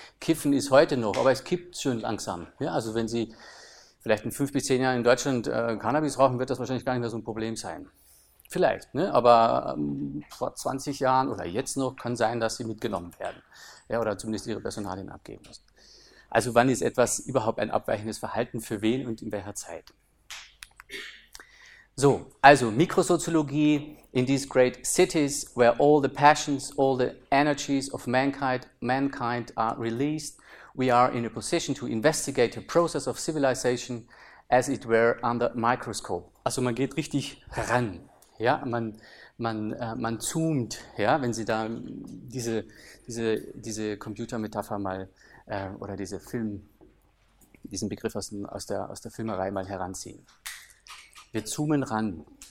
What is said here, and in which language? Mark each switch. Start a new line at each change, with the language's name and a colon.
German: Kiffen ist heute noch, aber es kippt schön langsam. Ja? Also wenn Sie vielleicht in 5 bis 10 Jahren in Deutschland Cannabis rauchen, wird das wahrscheinlich gar nicht mehr so ein Problem sein. Vielleicht, ne? Aber vor 20 Jahren oder jetzt noch kann sein, dass sie mitgenommen werden. Ja, oder zumindest ihre Personalien abgeben müssen. Also wann ist etwas überhaupt ein abweichendes Verhalten, für wen und in welcher Zeit? So, also Mikrosoziologie
English: in these great cities, where all the passions, all the energies of mankind are released. We are in a position to investigate the process of civilization as it were under microscope.
German: Also man geht richtig ran, ja, man zoomt, ja, wenn Sie da diese Computermetapher mal oder diese Film diesen Begriff aus der Filmerei mal heranziehen. Wir zoomen ran.